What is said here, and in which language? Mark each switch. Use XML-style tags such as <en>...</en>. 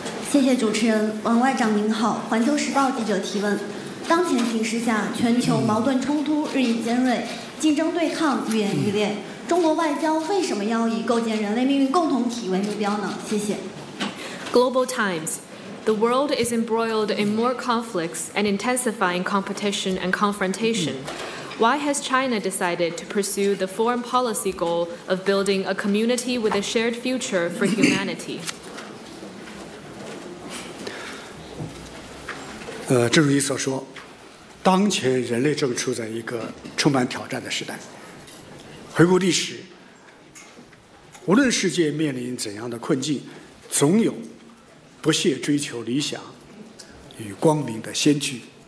<zh>谢谢主持人。王外长您好，环球时报记者提问。当前形势下，全球矛盾冲突日益尖锐，竞争对抗愈演愈烈，中国外交为什么要以构建人类命运共同体为目标呢？谢谢。</zh> <en>Global Times. The world is embroiled in more conflicts and intensifying competition and confrontation. Why has China decided to pursue the foreign policy goal of building a community with a shared future for humanity?</en> <zh>正如你所说，当前人类正处在一个充满挑战的时代。回顾历史，无论世界面临怎样的困境，总有不懈追求理想与光明的先驱。</zh>